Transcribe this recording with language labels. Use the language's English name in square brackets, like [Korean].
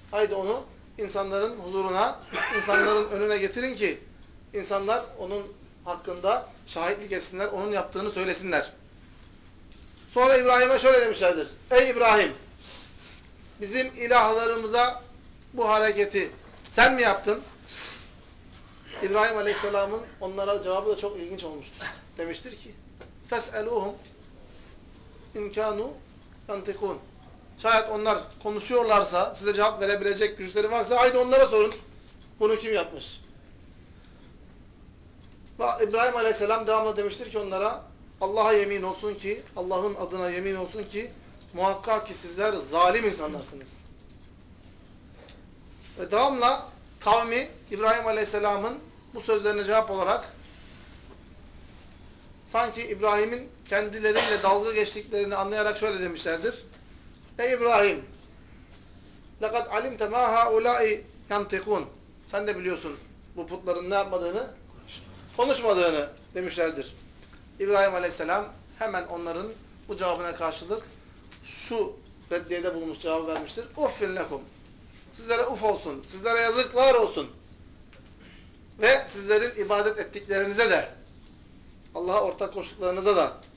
[Turkish] Haydi onu insanların huzuruna, insanların önüne getirin ki insanlar onun hakkında şahitlik etsinler, onun yaptığını söylesinler. Sonra İbrahim'e şöyle demişlerdir. Ey İbrahim, bizim ilahlarımıza bu hareketi sen mi yaptın? İbrahim Aleyhisselam'ın onlara cevabı da çok ilginç olmuştur. Demiştir ki [Arabic] فَسْأَلُوهُمْ اِنْ كَانُوا يَنْتِقُونَ. [Turkish] Şayet onlar konuşuyorlarsa, size cevap verebilecek güçleri varsa haydi onlara sorun. Bunu kim yapmış? İbrahim Aleyhisselam devamlı demiştir ki onlara, Allah'a yemin olsun ki, Allah'ın adına yemin olsun ki muhakkak ki sizler zalim insanlarsınız. Ve devamla kavmi İbrahim Aleyhisselam'ın bu sözlerine cevap olarak sanki İbrahim'in kendileriyle dalga geçtiklerini anlayarak şöyle demişlerdir. Ey İbrahim, [Arabic] لَقَدْ عَلِمْتَ مَا هَا اُولَٰئِ يَنْتِقُونَ. [Turkish] Sen de biliyorsun bu putların ne yapmadığını, konuşmadığını demişlerdir. İbrahim Aleyhisselam hemen onların bu cevabına karşılık şu reddiyede bulmuş, cevabı vermiştir. [Arabic] اُفِّنْ لَكُمْ. [Turkish] Sizlere uf olsun, sizlere yazıklar olsun. Ve sizlerin ibadet ettiklerinize de, Allah'a ortak koştuklarınıza da.